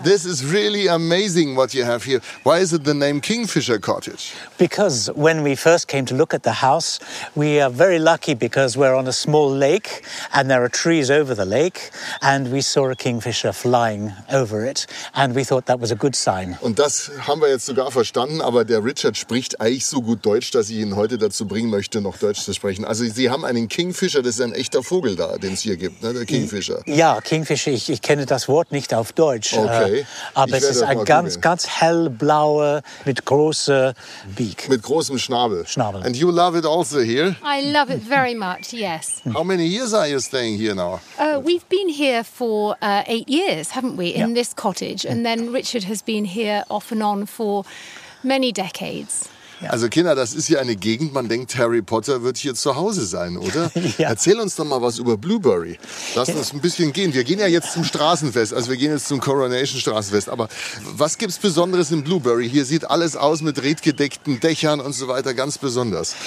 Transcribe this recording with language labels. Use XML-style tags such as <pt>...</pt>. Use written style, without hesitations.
<en>This is really amazing what you have here. Why is it the name Kingfisher Cottage? Because when we first came to look at the house, we are very lucky because we're on a small lake and there are trees over the lake and we saw a kingfisher flying over it and we thought that was a good sign.</en> <de>Und das haben wir jetzt sogar verstanden, aber der Richard spricht eigentlich so gut Deutsch, dass ich ihn heute dazu bringen möchte, noch Deutsch zu sprechen. Also Sie haben einen Kingfisher, das ist ein echter Vogel da, den es hier gibt, ne? Der Kingfisher. Ja, Kingfisher, ich kenne das Wort nicht auf Deutsch. Okay. Aber es ist ein ganz, ganz hellblauer mit großem Beak. Mit großem Schnabel. Schnabel.</de> <en>And you love it also here? I love it very much, yes. How many years are you staying here now? We've been here for 8 years, haven't we, in this cottage. And then Richard has been here off and on for many decades.</en> <de>Also Kinder, das ist hier eine Gegend, man denkt, Harry Potter wird hier zu Hause sein, oder? Ja. Erzähl uns doch mal was über Blueberry. Lass uns ein bisschen gehen. Wir gehen ja jetzt zum Straßenfest, also wir gehen jetzt zum Coronation-Straßenfest. Aber was gibt's Besonderes in Blueberry? Hier sieht alles aus mit redgedeckten Dächern und so weiter, ganz besonders.</de>